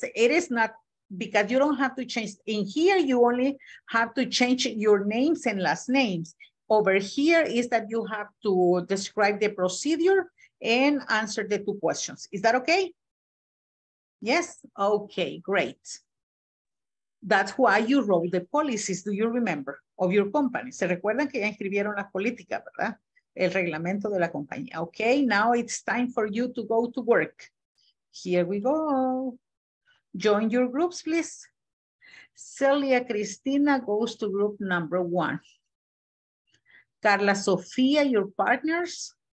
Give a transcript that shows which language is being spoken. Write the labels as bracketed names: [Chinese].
[English] It is not, because you don't have to change. In here, you only have to change your names and last names. Over here is that you have to describe the procedure and answer the two questions. Is that okay? Yes, okay, great. That's why you wrote the policies, do you remember, of your company? [Spanish] ¿Se recuerdan que ya escribieron la política, verdad? El reglamento de la compañía. [English] Okay, now it's time for you to go to work. Here we go. Join your groups, please. Celia Cristina goes to group number one. Carla Sofía, your partners.